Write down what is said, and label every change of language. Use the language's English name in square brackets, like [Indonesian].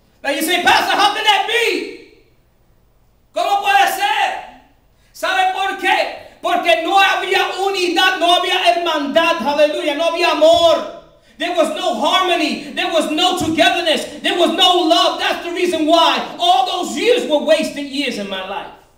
[English] Now you say, Pastor, how can that be? [Spanish] ¿Cómo puede ser? ¿Sabe por qué? Porque no había unidad, no había hermandad, aleluya, no había amor. [English] There was no harmony, there was no togetherness, there was no love. That's the reason why all those years were wasted years in my life.